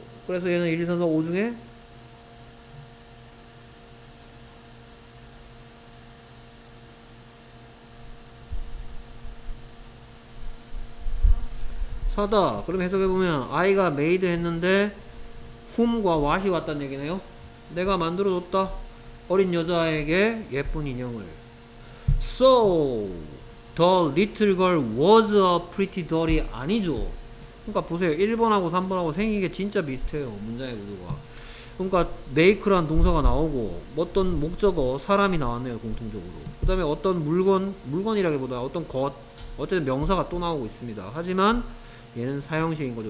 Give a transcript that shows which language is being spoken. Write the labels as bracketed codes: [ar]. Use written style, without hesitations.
[ko] 그래서 얘는 1, 2, 3, 4, 5 중에 4다. 그럼 해석해보면 I가 made 했는데 whom과 what이 왔단 얘기네요. 내가 만들어줬다. 어린 여자에게 예쁜 인형을. [en] So, the little girl was a pretty dolly [ko] 아니죠. 그러니까 보세요. 1번하고 3번하고 생긴 게 진짜 비슷해요. 문장의 구조가. 그러니까 make라는 동사가 나오고 어떤 목적어 사람이 나왔네요. 공통적으로. 그 다음에 어떤 물건이라기보다 어떤 것 어쨌든 명사가 또 나오고 있습니다. 하지만 얘는 사형식인 거죠.